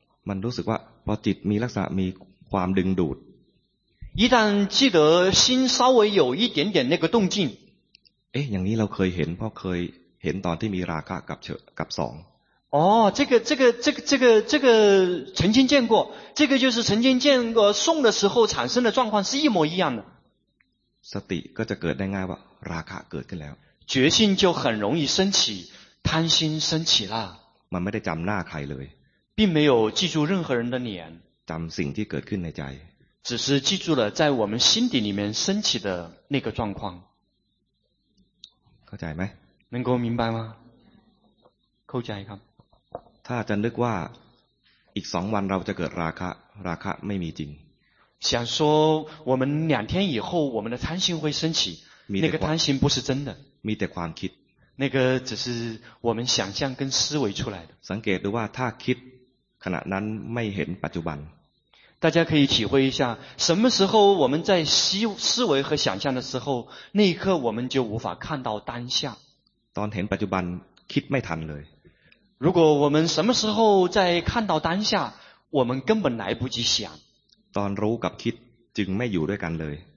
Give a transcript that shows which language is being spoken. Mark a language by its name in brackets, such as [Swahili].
[Thai] มันรู้สึกว่าพอจิตมีลักษณะมีความดึงดูด， [Chinese] 一旦记得心稍微有一点点那个动静， [Thai] 哎，อย่างนี้เราเคยเห็นเพราะเคยเห็นตอนที่มีราคะกับสอง [Chinese] อ๋อ这个曾经见过这个就是曾经见过送的时候产生的状况是一模一样的 [Thai] สติก็จะเกิดได้ง่ายว่าราคะเกิดขึ้นแล้ว [Chinese] 决心就很容易升起贪心升起了 [Thai] มันไม่ได้จำหน้าใครเลย [Chinese] 并没有记住任何人的脸 [Thai] จำสิ่งที่เกิดขึ้นในใจ [Chinese] 只是记住了在我们心底里面升起的那个状况 [Thai] เข้าใจไหม [Chinese] 能够明白吗 [Thai] เข้าใจครับ ถ้าจะนึกว่าอีกสองวันเราจะเกิดราคะราคะไม่มีจริง [Chinese] 想说我们两天以后我们的贪心会升起那个贪心不是真的 [Thai] มีแต่ความคิด [Chinese] 那个只是我们想象跟思维出来的 [Thai] สังเกตดูว่าถ้าคิดขณะนั้นไม่เห็นปัจจุบัน [Chinese] 大家可以体会一下什么时候我们在思维和想象的时候那一刻我们就无法看到当下 [Thai] ตอนเห็นปัจจุบันคิดไม่ทันเลย [Chinese] 如果我们什么时候在看到当下我们根本来不及想 [Thai] ตอนรู้กับคิดจึงไม่อยู่ด้วยกันเลย